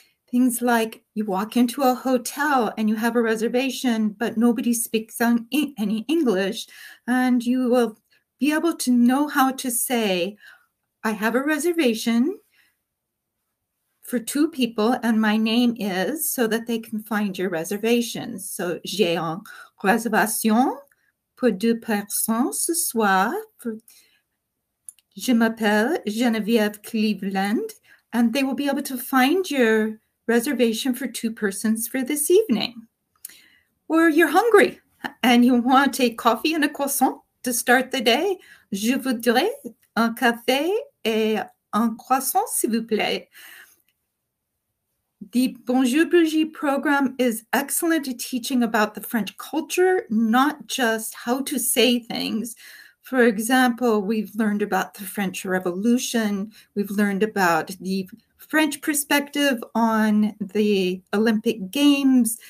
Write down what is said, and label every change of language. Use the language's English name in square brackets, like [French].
[English] Things like you walk into a hotel and you have a reservation, but nobody speaks any English, and you will be able to know how to say, I have a reservation for two people, and my name is, so that they can find your reservation. [French] So, j'ai une réservation pour deux personnes ce soir. Je m'appelle Geneviève Cleveland, [English] and they will be able to find your reservation for two persons for this evening. Or you're hungry and you want a coffee and a croissant to start the day. [French] Je voudrais un café et un croissant, s'il vous plaît. [English] The Bonjour Brigitte program is excellent at teaching about the French culture, not just how to say things. For example, we've learned about the French Revolution, we've learned about the French perspective on the Olympic Games.